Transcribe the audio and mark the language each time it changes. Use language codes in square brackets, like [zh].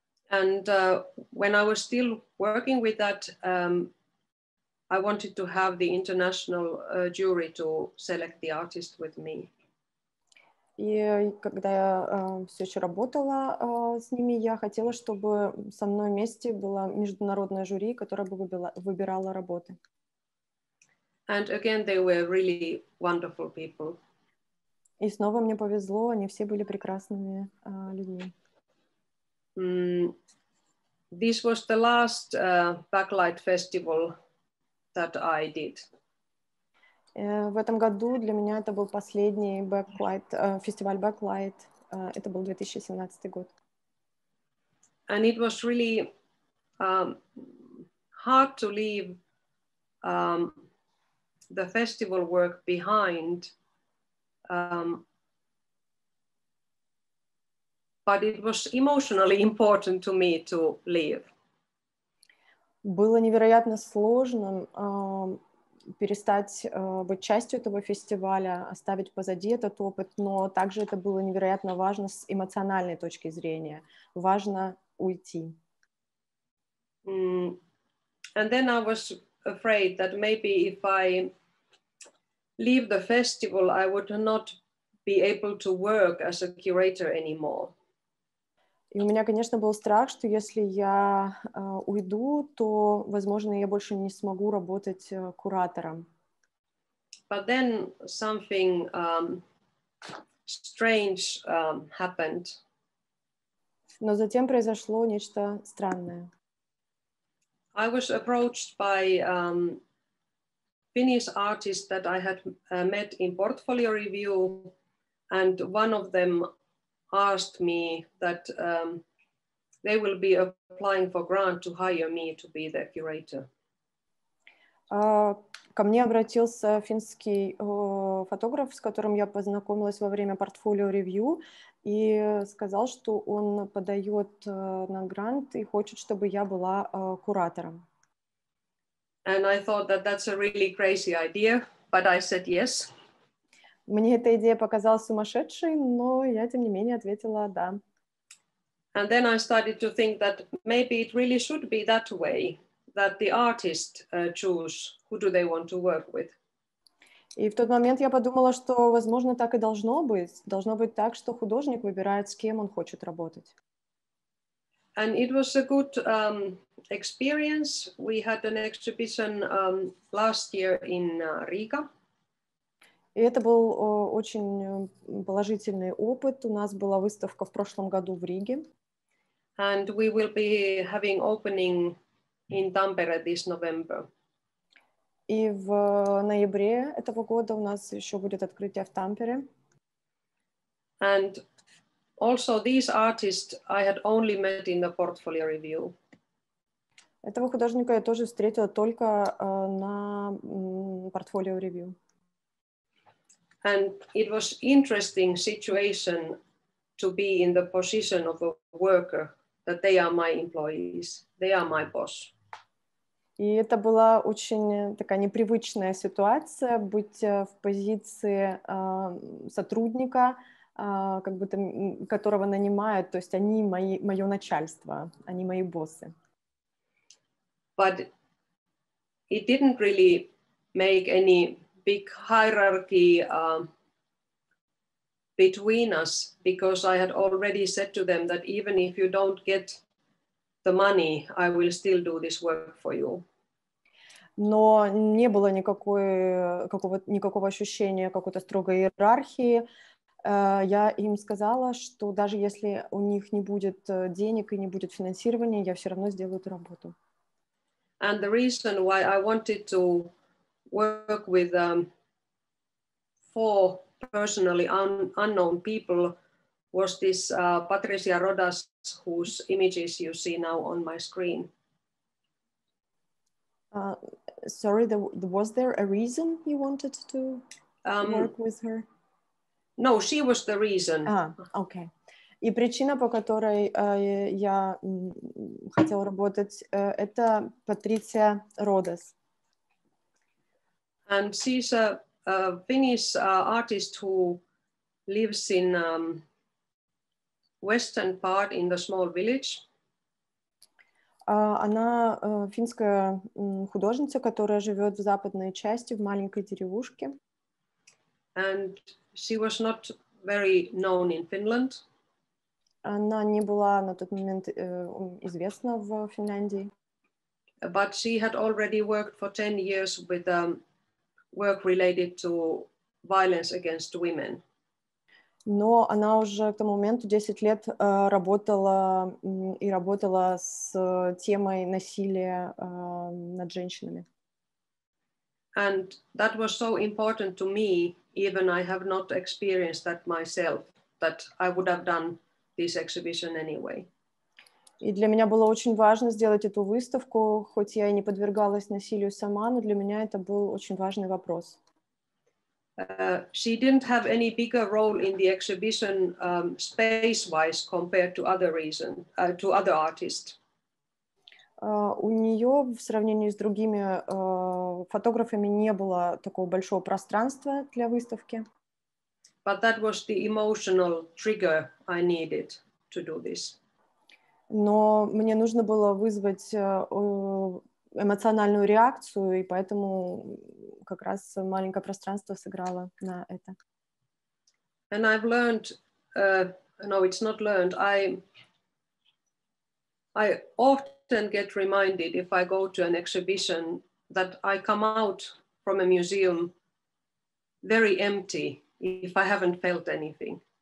[en] And when I was still working with that, I wanted to have the international jury to select the artist with me. [ru] И когда я все еще работала с ними, я хотела, чтобы со мной вместе была международная жюри, которая бы выбирала работы. [en] And again, they were really wonderful people. [ru] И снова мне повезло, они все были прекрасными людьми. [en] This was the last Backlight Festival that I did. [ru] В этом году для меня это был последний Backlight, фестиваль Backlight. Это был 2017 год. [en] And it was really hard to leave the festival work behind, but it was emotionally important to me to leave. [ru] Было невероятно сложно перестать быть частью этого фестиваля, оставить позади этот опыт, но также это было невероятно важно с эмоциональной точки зрения. Важно уйти. [en] And then I was afraid that maybe if I leave the festival, I would not be able to work as a curator anymore. [ru] И у меня, конечно, был страх, что если я уйду, то, возможно, я больше не смогу работать куратором. [en] But then something strange happened. [ru] Но затем произошло нечто странное. [en] I was approached by Finnish artist that I had met in portfolio review, and one of them asked me that they will be applying for grant to hire me to be their curator. [ru] Ко мне обратился финский фотограф, с которым я познакомилась во время портфолио ревью, и сказал, что он подает на грант и хочет, чтобы я была куратором. [en] And I thought that that's a really crazy idea, but I said yes. [ru] Мне эта идея показалась сумасшедшей, но я, тем не менее, ответила да. [en] And then I started to think that maybe it really should be that way, that the artist choose who do they want to work with. [ru] И в тот момент я подумала, что, возможно, так и должно быть. Должно быть так, что художник выбирает, с кем он хочет работать. [en] And it was a good experience. We had an exhibition last year in Riga. [ru] И это был очень положительный опыт. У нас была выставка в прошлом году в Риге. [en] And we will be having opening in Tampere this November. [ru] И в ноябре этого года у нас еще будет открытие в Тампере. [en] And also these artists I had only met in the portfolio review. [ru] Этого художника я тоже встретила только на портфолио ревью. [en] And it was interesting situation to be in the position of a worker, that they are my employees, they are my boss. [ru] И это была очень такая непривычная ситуация быть в позиции сотрудника, как будто которого нанимают, то есть они мое начальство, они мои боссы. [en] But it didn't really make any big hierarchy between us, because I had already said to them that even if you don't get the money, I will still do this work for you. [ru] Но не было никакого ощущения какой-то строгой иерархии. Я им сказала, что даже если у них не будет денег и не будет финансирования, я все равно сделаю эту работу. [en] And the reason why I wanted to work with four personally unknown people was this Patricia Rodas, whose images you see now on my screen. Sorry, was there a reason you wanted to work with her? No, she was the reason. Okay. [ru] И причина, по которой я хотела работать, это Патриция Родас. [en] And she's a Finnish artist who lives in western part in the small village. [ru] Она финская художница, которая живет в западной части, в маленькой деревушке. [en] And she was not very known in Finland. [ru] Она не была на тот момент известна в Финляндии. [en] But she had already worked for 10 years with work related to violence against women. [ru] Но она уже к тому моменту 10 лет работала с темой насилия над женщинами. [en] And that was so important to me, even I have not experienced that myself, that I would have done this exhibition anyway. [ru] И для меня было очень важно сделать эту выставку, хоть я и не подвергалась насилию сама, но для меня это был очень важный вопрос. [en] She didn't have any bigger role in the exhibition space-wise compared to other reasons, to other artists. [ru] У нее в сравнении с другими фотографами не было такого большого пространства для выставки. [en] But that was the emotional trigger I needed to do this. [ru] Но мне нужно было вызвать эмоциональную реакцию, и поэтому как раз маленькое пространство сыграло на это. [en] And I've learned, no, it's not learned, I often get reminded if I go to an exhibition that I come out from a museum very empty if I haven't felt anything.